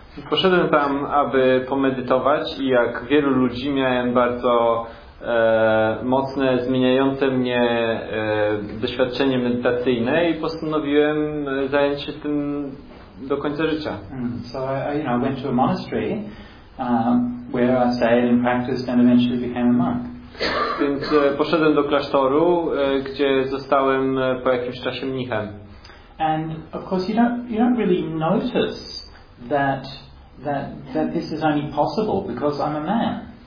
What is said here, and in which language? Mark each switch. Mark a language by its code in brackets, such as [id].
[pl] Poszedłem tam, aby pomedytować, i jak wielu ludzi miałem bardzo mocne, zmieniające mnie doświadczenie medytacyjne i postanowiłem zająć się tym do końca życia. [en] So I went to a monastery where I stayed and practiced and eventually became a monk. [pl] Więc poszedłem do klasztoru, gdzie zostałem po jakimś czasie mnichem. [en] And of course you don't really notice that this is only possible because I'm a man.